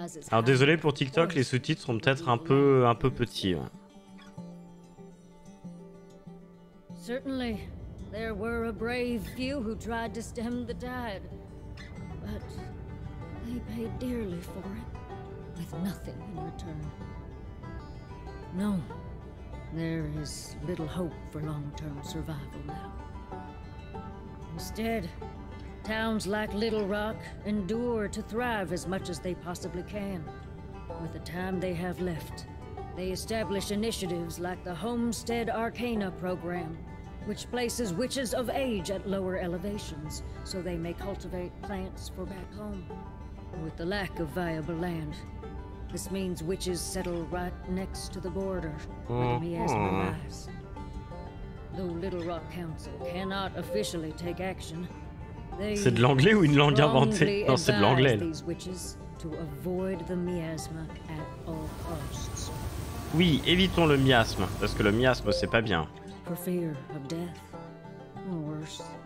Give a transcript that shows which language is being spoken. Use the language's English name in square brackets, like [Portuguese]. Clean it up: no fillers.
[French] Alors désolé pour TikTok, les sous-titres sont peut-être un peu petits. [English] Certainly, there were a brave few who tried to stem the tide, but they paid dearly for it, with nothing in return. No, there is little hope for long-term survival now. Instead. Towns like Little Rock endure to thrive as much as they possibly can. With the time they have left, they establish initiatives like the Homestead Arcana program, which places witches of age at lower elevations so they may cultivate plants for back home. With the lack of viable land, this means witches settle right next to the border where the miasma lies. Though Little Rock Council cannot officially take action, [French] c'est de l'anglais ou une langue inventée? Non, c'est de l'anglais. [English] to avoid the miasma at all costs. [French] Oui, évitons le miasme, parce que le miasme, c'est pas bien. [English] For fear of death, or worse.